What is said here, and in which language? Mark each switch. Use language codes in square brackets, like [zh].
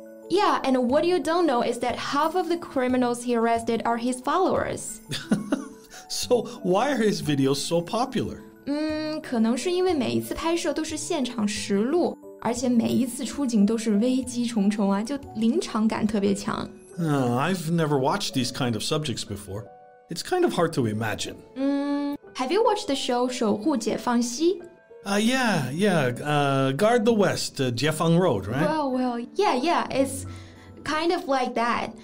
[en] Yeah, and what you don't know is that half of the criminals he arrested are his followers. So why are his videos so popular? [zh] 可能是因为每一次拍摄都是现场实录，而且每一次出警都是危机重重啊，就临场感特别强。 [en] I've never watched these kind of subjects before. It's kind of hard to imagine. Have you watched the show 守护解放西？ Guard the West, Jie Fang Road, right? Well, it's kind of like that.